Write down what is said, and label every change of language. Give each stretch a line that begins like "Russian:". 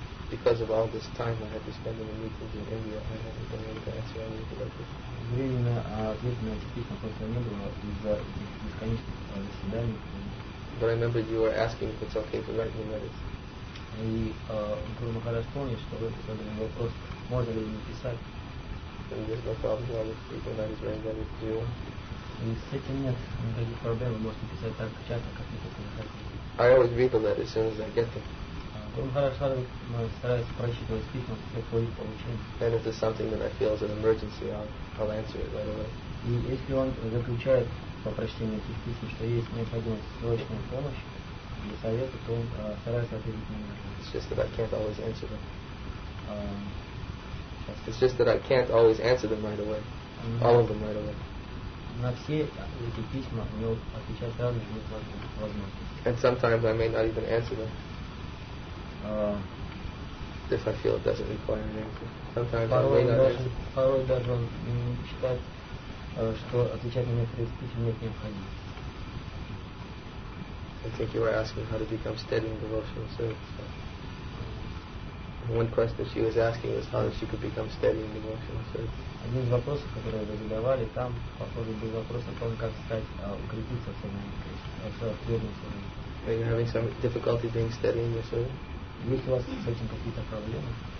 English: Because of all this time I had to spend in the meetings in India, I haven't been able to answer any of the letters.
Russian: Временно ответ на эти письма просто не было из-за бесконечных заседаний.
English: But I remember you were asking if it's okay to write me letters.
Russian: И Гуру Махарадж помнит, что вы задали вопрос, можно ли мне писать.
English: And there's no problem with people that is writing letters to you.
Russian: И с этим нет никаких проблем, вы можете писать так часто, как вы только хотите.
English: I always read the letters as soon as I get them.
Russian: Гуру Махарадж старается прочитывать письма с тех пор, как получил.
English: And if there's something that I feel is an emergency, I'll answer it right away.
Russian: И если он заключает по прочтению этих писем, что есть необходимость срочной помощи, для совета, то он старается ответить мне.
English: It's just that I can't always answer them. It's just that I can't always answer them right away. All of them right away.
Russian: На все эти письма у него отвечать сразу же нет возможности.
English: And sometimes I may not even answer them. If I feel it doesn't require an answer. Sometimes
Russian: порой
English: I may not
Russian: даже,
English: answer.
Russian: Порой даже он считает, что отвечать на некоторые письма нет необходимости.
English: I think you were asking how to become steady in devotional service. So one question she was asking was how she could become steady in devotional service.
Russian: Один из вопросов, которые вы задавали там, похоже, был вопрос о том, как стать укрепиться в самоуправлении.
English: Are you having some difficulty being steady in your service?
Russian: Есть у вас с этим какие-то проблемы?